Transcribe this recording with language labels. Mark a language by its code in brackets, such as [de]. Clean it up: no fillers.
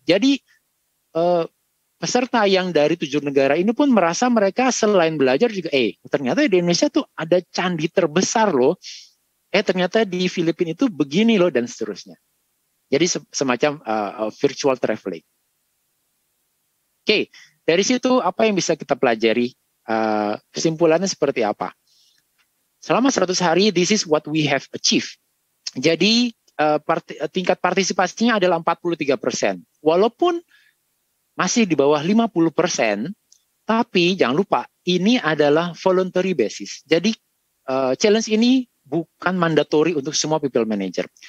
[id] Jadi peserta yang dari 7 negara ini pun merasa mereka selain belajar juga, ternyata di Indonesia tuh ada candi terbesar loh, ternyata di Filipina itu begini loh, dan seterusnya. Jadi semacam virtual traveling. Okay, dari situ apa yang bisa kita pelajari? Kesimpulannya seperti apa? Selama 100 hari, [en] this is what we have achieved. [id] Jadi tingkat partisipasinya adalah 43%. Walaupun masih di bawah 50%, tapi jangan lupa, ini adalah voluntary basis. Jadi challenge ini bukan mandatory untuk semua people manager.